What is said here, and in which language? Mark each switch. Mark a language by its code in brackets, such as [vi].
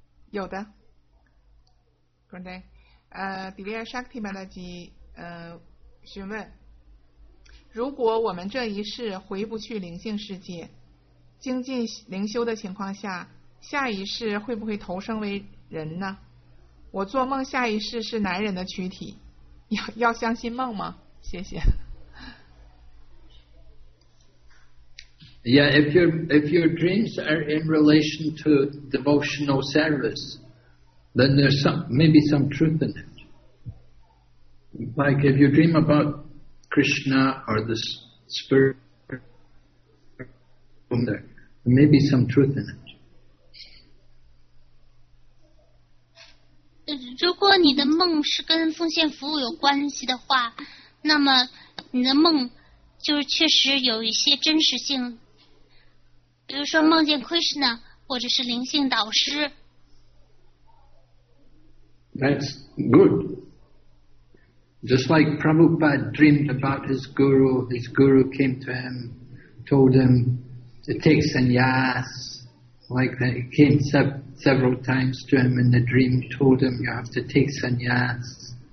[zh] 有的。 [en] Good day. [zh] Divya Shakti Mataji, 询问，如果我们这一世回不去灵性世界，精进灵修的情况下，下一世会不会投生为人呢？我做梦下一世是男人的躯体，要相信梦吗？谢谢。 [en] Yeah, if your dreams are in relation to devotional service, then there's maybe some truth in it. Like if you dream about Krishna or the spirit wonder, there may be some truth in it. [zh] 如果你的梦是跟奉献服务有关系的话，那么你的梦就是确实有一些真实性，比如说梦见 Krishna 或者是灵性导师。 [en] That's good. Just like Prabhupada dreamed about his guru came to him, told him to take sannyas, like that. He came several times to him in the dream, told him you have to take sannyas.